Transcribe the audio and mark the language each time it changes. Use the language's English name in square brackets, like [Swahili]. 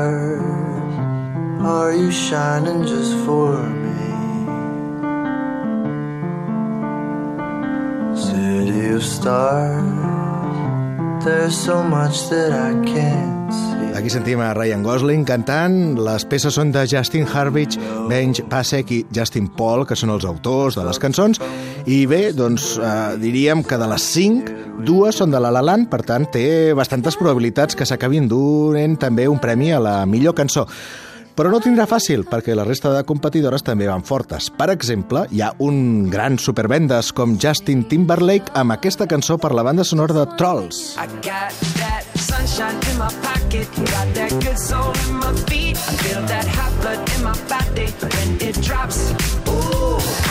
[English] Stars, are you shining just for me? City of stars, there's so much that I can't see. [Catalan] Aquí sentim a Ryan Gosling cantant. Les peces són de Justin Hurwitz, Benj Pasek i Justin Paul, que són els autors de les cançons. I bé, doncs diríem que de les 5, dues són de La La Land, per tant té bastantes probabilitats que s'acabin donant també un premi a la millor cançó. Però no tindrà fàcil, perquè la resta de competidores també van fortes. Per exemple, hi ha un gran supervendes com Justin Timberlake amb aquesta cançó per la banda sonora de Trolls. [English] I got that sunshine in my pocket, got that good soul in my feet, I feel that hot blood in my body when it drops.